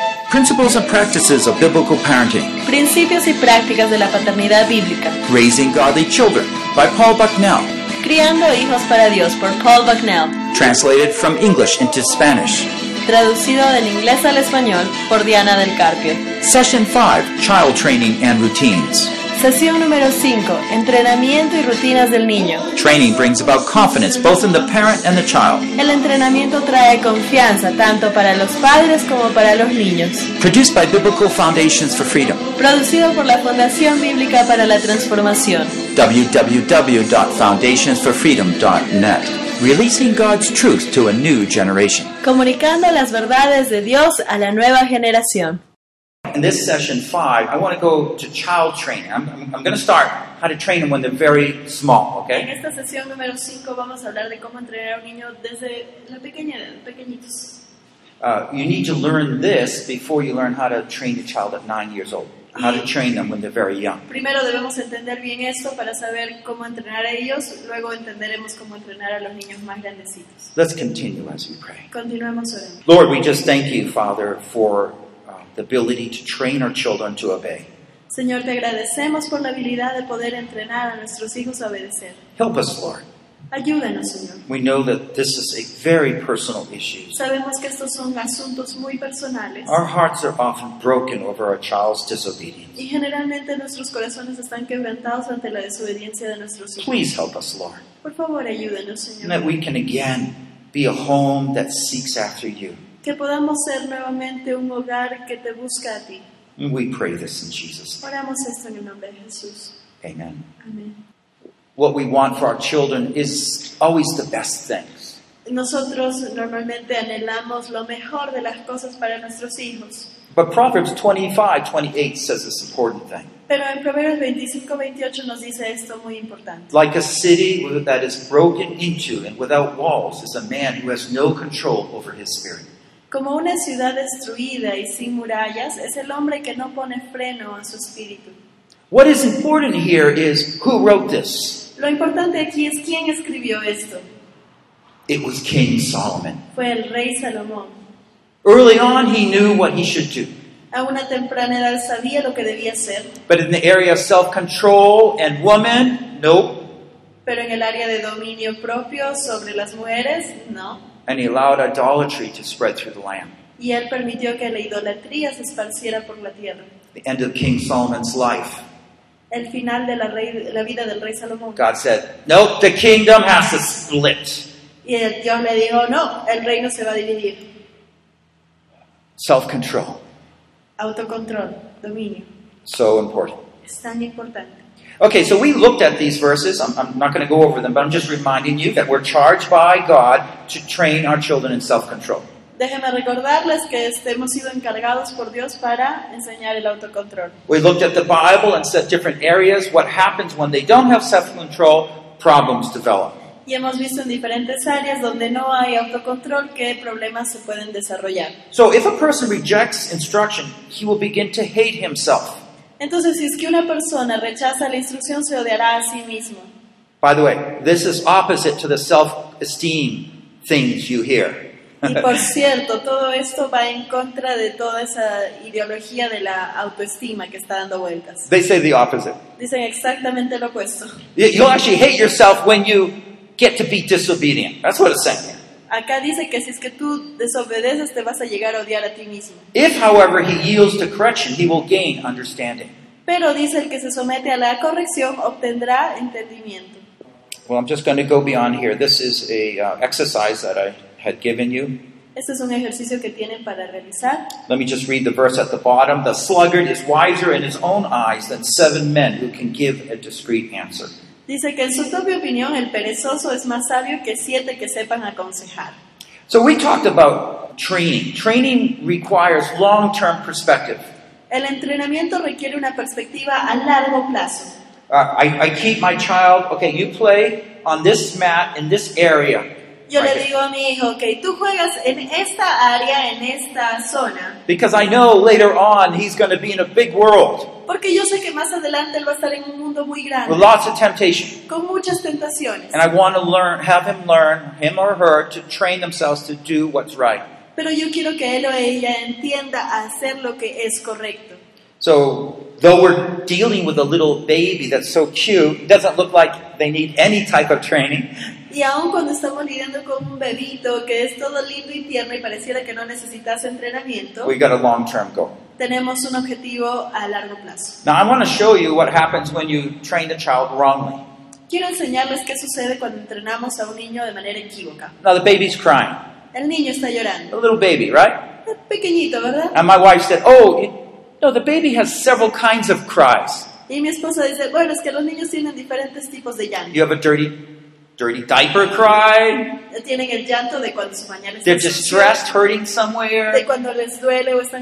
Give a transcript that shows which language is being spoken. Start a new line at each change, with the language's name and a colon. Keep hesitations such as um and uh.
English: Principles and practices of biblical parenting.
Spanish: Principios y prácticas de la paternidad bíblica.
English: Raising godly children by Paul Bucknell.
Spanish: Criando hijos para Dios por Paul Bucknell.
English: Translated from English into Spanish.
Spanish: Traducido del inglés al español por Diana del Carpio.
English: Session 5 Child Training and Routines.
Spanish: Sesión número 5. Entrenamiento y rutinas del niño.
English: Training brings about confidence both in the parent and the child.
Spanish: El entrenamiento trae confianza tanto para los padres como para los niños.
English: Produced by Biblical Foundations for Freedom.
Spanish: Producido por la Fundación Bíblica para la Transformación.
English: www.foundationsforfreedom.net. Releasing God's truth to a new generation.
Spanish: Comunicando las verdades de Dios a la nueva generación.
English: In this session five, I want to go to child training. I'm, I'm, going to start how to train them when they're very small,
Spanish: En
English: okay?
Spanish: esta sesión número 5 vamos a hablar de cómo entrenar a un niño desde la pequeña edad, pequeñitos.
English: Uh, you need to learn this before you learn how to train a child at nine years old, how to train them when they're very young.
Spanish: Primero debemos entender bien esto para saber cómo entrenar a ellos, luego entenderemos cómo entrenar a los niños más grandecitos.
English: Let's continue as we pray.
Spanish: Continuemos orando.
English: Lord, we just thank you, Father, for uh, the ability to train our children to obey.
Spanish: Señor, te agradecemos por la habilidad de poder entrenar a nuestros hijos a obedecer.
English: Help us, Lord.
Spanish: Ayúdanos, Señor.
English: We know that this is a very personal issue.
Spanish: Sabemos que estos son asuntos muy personales
English: Our hearts are often broken over our child's disobedience.
Spanish: y generalmente nuestros corazones están quebrantados ante la desobediencia de nuestros hijos.
English: Please help us, Lord,
Spanish: Por favor, ayúdanos,
English: and that
Spanish: Señor.
English: we can again be a home that seeks after you.
Spanish: Que podamos ser nuevamente un hogar que te busca a ti.
English: And we pray this in Jesus'
Spanish: Oramos esto en el nombre de Jesús.
English: name. Amen.
Spanish: Amén.
English: What we want for our children is always the best things.
Spanish: Nosotros normalmente anhelamos lo mejor de las cosas para nuestros hijos,
English: But Proverbs 25, 28 says this important thing.
Spanish: pero en Proverbios 25-28 nos dice esto muy importante.
English: Like a city that is broken into and without walls is a man who has no control over his spirit.
Spanish: Como una ciudad destruida y sin murallas, es el hombre que no pone freno a su espíritu.
English: What is important here is who wrote this?
Spanish: Lo importante aquí es quién escribió esto.
English: It was King Solomon.
Spanish: Fue el rey Salomón.
English: Early on, he knew what he should do.
Spanish: A una temprana edad sabía lo que debía hacer,
English: But in the area of self control and woman, nope.
Spanish: pero en el área de dominio propio sobre las mujeres, no.
English: And he allowed idolatry to spread through the land.
Spanish: y él permitió que la idolatría se esparciera por la tierra.
English: The end of King Solomon's life.
Spanish: El final de la, rey- la vida del rey Salomón.
English: God said, nope, the kingdom has to split.
Spanish: Y el- Dios le dijo, no, el reino se va a dividir.
English: Self control.
Spanish: Autocontrol, dominio,
English: So important.
Spanish: es tan importante.
English: Okay, so we looked at these verses. I'm, I'm not going to go over them, but I'm just reminding you that we're charged by God to train our children in self control.
Spanish: Déjenme recordarles que este, hemos sido encargados por Dios para enseñar el autocontrol.
English: We looked at the Bible and said different areas, what happens when they don't have self control, problems develop.
Spanish: Y hemos visto en diferentes áreas donde no hay autocontrol qué problemas se pueden desarrollar.
English: So if a person rejects instruction, he will begin to hate himself.
Spanish: Entonces, si es que una persona rechaza la instrucción, se odiará a sí mismo.
English: By the way, this is opposite to the self esteem things you hear.
Spanish: Y por cierto, todo esto va en contra de toda esa ideología de la autoestima que está dando vueltas.
English: they say the opposite.
Spanish: Dicen exactamente lo opuesto.
English: You- You'll actually hate yourself when you get to be disobedient. That's what it's saying. here.
Spanish: Acá dice que si es que tú desobedeces te vas a llegar a odiar a ti mismo.
English: If, however, he yields to correction, he will gain understanding.
Spanish: Pero dice el que se somete a la corrección obtendrá entendimiento.
English: Well, I'm just going to go beyond here. This is a uh, exercise that I had given you.
Spanish: Este es un ejercicio que tienen para realizar.
English: Let me just read the verse at the bottom. The sluggard is wiser in his own eyes than seven men who can give a discreet answer.
Spanish: Dice que en su propia opinión el perezoso es más sabio que siete que sepan aconsejar.
English: So we talked about training. Training requires long-term perspective.
Spanish: El entrenamiento requiere una perspectiva a largo plazo.
English: Uh, I, I keep my child, okay, you play on this mat in this area.
Spanish: Yo
English: Like
Spanish: le
English: it.
Spanish: digo a mi hijo, ok, tú juegas en esta área, en esta zona,
English: Because I know later on he's going to be in a big world
Spanish: porque yo sé que más adelante él va a estar en un mundo muy
English: with
Spanish: grande,
English: lots of temptation.
Spanish: con muchas tentaciones.
English: And I want to learn, have him learn, him or her, to train themselves to do what's right.
Spanish: pero yo quiero que él o ella entienda a hacer lo que es correcto.
English: So, though we're dealing with a little baby that's so cute, doesn't look like they need any type of training.
Spanish: Y aun cuando estamos lidiando con un bebito que es todo lindo y tierno y pareciera que no necesitase entrenamiento,
English: We got a long-term goal.
Spanish: tenemos un objetivo a largo plazo.
English: Now, I want to show you what happens when you train the child wrongly.
Spanish: Quiero enseñarles qué sucede cuando entrenamos a un niño de manera equívoca.
English: Now, the baby's crying.
Spanish: El niño está llorando.
English: A little baby, right?
Spanish: Es pequeñito, ¿verdad?
English: And my wife said, Oh, it, no, the baby has several kinds of cries.
Spanish: Y mi esposa dice, bueno, es que los niños tienen diferentes tipos de llanto.
English: You have a dirty, dirty diaper cry.
Spanish: Tienen el llanto de cuando su pañal está
English: They're
Spanish: sucio,
English: distressed, hurting
Spanish: de
English: somewhere.
Spanish: cuando les duele o están